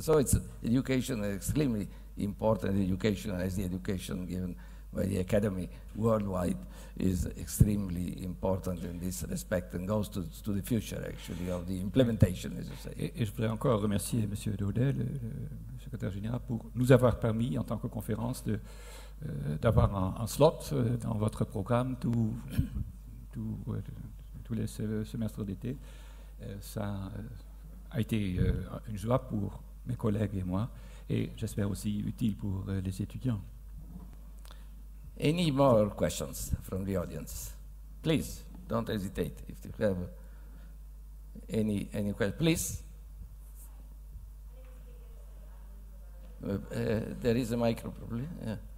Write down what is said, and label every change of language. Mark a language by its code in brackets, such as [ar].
[en] So it's education, extremely important education, as the education given by the academy worldwide is extremely important in this respect and goes to the future, actually, of the implementation, as you say. [fr] Et je voudrais encore remercier M. Daudet, le secrétaire général, pour nous avoir permis, en tant que conférence, d'avoir un slot dans votre programme tous les semestres d'été. Ça a été une joie pour mes collègues et moi, et j'espère aussi utile pour les étudiants. [en] Any more questions from the audience? Please, don't hesitate if you have any questions. Please. There is a micro, probably. Yeah.